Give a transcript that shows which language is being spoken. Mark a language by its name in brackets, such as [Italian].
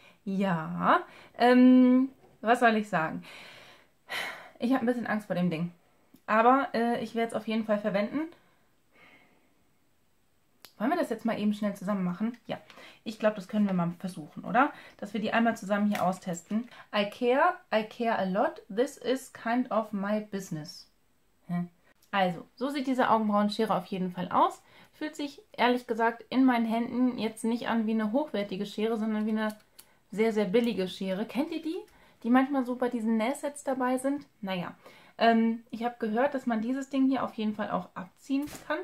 [German] Ja, was soll ich sagen? Ich habe ein bisschen Angst vor dem Ding. Aber ich werde es auf jeden Fall verwenden. Wollen wir das jetzt mal eben schnell zusammen machen? Ja, ich glaube, das können wir mal versuchen, oder? Dass wir die einmal zusammen hier austesten. [English] I care a lot. This is kind of my business. [German] Also, so sieht diese Augenbrauenschere auf jeden Fall aus. Fühlt sich ehrlich gesagt in meinen Händen jetzt nicht an wie eine hochwertige Schere, sondern wie eine sehr, sehr billige Schere. Kennt ihr die? Die manchmal so bei diesen Nähsets dabei sind? Naja, ich habe gehört, dass man dieses Ding hier auf jeden Fall auch abziehen kann.